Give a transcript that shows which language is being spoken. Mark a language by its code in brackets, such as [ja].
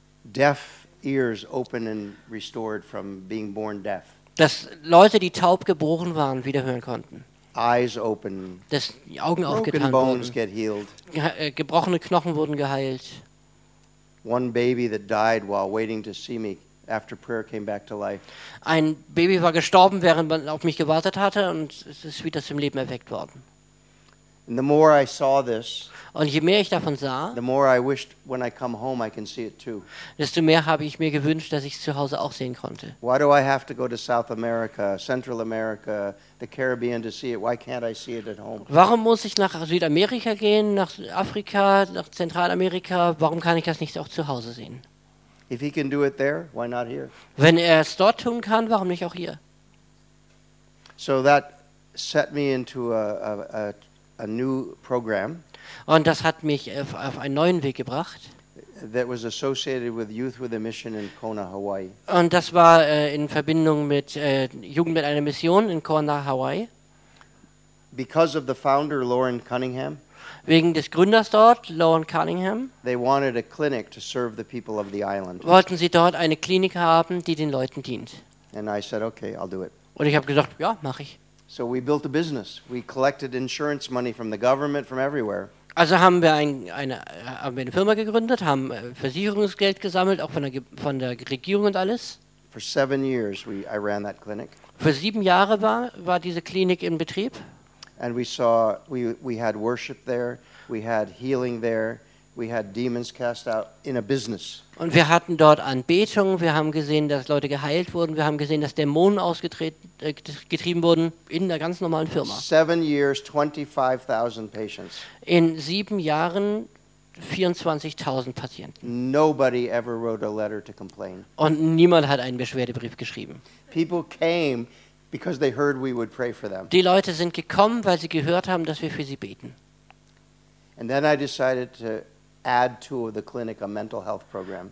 [en] Deaf ears open and restored from being born deaf. [de] Dass Leute, die taub geboren waren, wieder hören konnten. [en] Eyes open. [de] Dass die Augen aufgetan [en] bones [de] wurden. [en] Get healed. [de] Gebrochene Knochen wurden geheilt. [en] One baby that died while waiting to see me after prayer came back to life. [de] Ein Baby war gestorben, während man auf mich gewartet hatte, und es ist wieder zum Leben erweckt worden. [en] And the more I saw this, [de] und je mehr ich davon sah, [en] the more I wished when I come home I can see it too. [de] Desto mehr habe ich mir gewünscht, dass ich es zu Hause auch sehen konnte. [en] Why do I have to go to South America, Central America, the Caribbean to see it? Why can't I see it at home? [de] Warum muss ich nach Südamerika gehen, nach Afrika, nach Zentralamerika? Warum kann ich das nicht auch zu Hause sehen? [en] If he can do it there, why not here? [de] Wenn er es dort tun kann, warum nicht auch hier? [en] So that set me into a new program. [de] Und das hat mich auf einen neuen Weg gebracht. [en] That was associated with Youth with a Mission in Kona, Hawaii. [de] Und das war in Verbindung mit Jugend mit einer Mission in Kona, Hawaii. [en] Because of the founder, Lauren Cunningham. [de] Wegen des Gründers dort, Lauren Cunningham. [en] They wanted a clinic to serve the people of the island. [de] Wollten sie dort eine Klinik haben, die den Leuten dient. [en] And I said, okay, I'll do it. [de] Und ich habe gesagt, ja, mache ich. [en] So we built a business. We collected insurance money from the government, from everywhere. [de] Also haben wir eine Firma gegründet, haben Versicherungsgeld gesammelt, auch von der Regierung und alles. [en] For 7 years I ran that clinic. [de] Für 7 Jahre war diese Klinik in Betrieb. [en] And we had worship there, we had healing there, we had demons cast out in a business. [de] Und wir hatten dort Anbetung, wir haben gesehen, dass Leute geheilt wurden, wir haben gesehen, dass Dämonen getrieben wurden in einer ganz normalen Firma. [en] 7 years, 25,000 patients. [de] In 7 Jahren 24,000 Patienten. [en] Nobody ever wrote a letter to complain. [de] Und niemand hat einen Beschwerdebrief geschrieben. [en] People came because they heard we would pray for them. [de] Die Leute sind gekommen, weil sie gehört haben, dass wir für sie beten. [en] And then I decided to add to the clinic a mental health program.